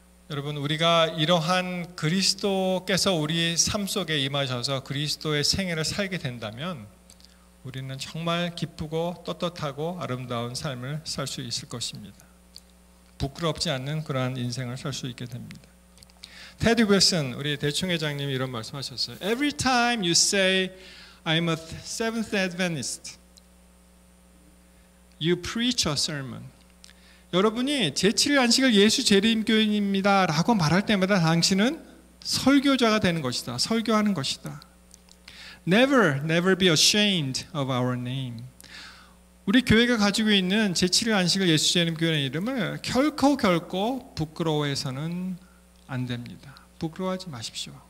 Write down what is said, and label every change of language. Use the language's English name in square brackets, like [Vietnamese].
[Korean] 여러분 우리가 이러한 그리스도께서 우리 삶 속에 임하셔서 그리스도의 생애를 살게 된다면 우리는 정말 기쁘고 떳떳하고 아름다운 삶을 살 수 있을 것입니다. 부끄럽지 않는 그러한 인생을 살 수 있게 됩니다. 테디 윌슨 우리 대총회장님이 이런 말씀하셨어요. [English] Every time you say I'm a Seventh-day Adventist, you preach a sermon. [Korean] 여러분이 제7일 안식일 예수 재림교인입니다 라고 말할 때마다 당신은 설교자가 되는 것이다. 설교하는 것이다. [English] Never, never be ashamed of our name. [Korean] 우리 교회가 가지고 있는 제7일 안식일 예수 재림교인의 이름을 결코 부끄러워해서는 안 됩니다. 부끄러워하지 마십시오.